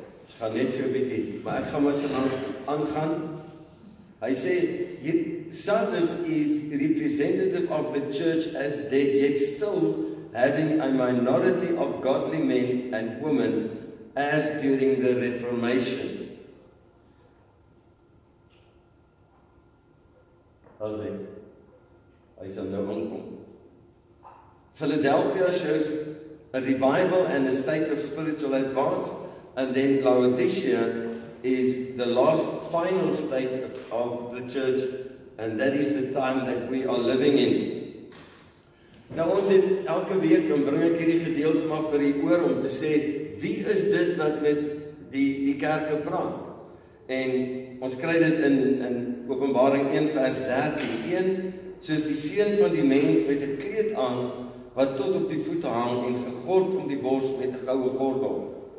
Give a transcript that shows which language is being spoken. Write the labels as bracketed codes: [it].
[af] Ek gaan net so 'n bietjie, maar ek gaan maar so lank aangaan. Hy sê hier [en] Sardis is representative of the church as they yet still having a minority of godly men and women as during the Reformation. How's that? I said no one come. Philadelphia shows a revival and a state of spiritual advance, and then Laodicea is the last final state of the church, and that is the time that we are living in. [af] Nou ons het elke week, en bring ek hierdie gedeelte maar vir die oor, om te sê, wie is dit wat met die kerke praat? En ons kry dit in Openbaring 1 vers 13, 1, soos die seun van die mens met 'n kleed aan, wat tot op die voete hang en gegord om die bors met 'n goue gordel.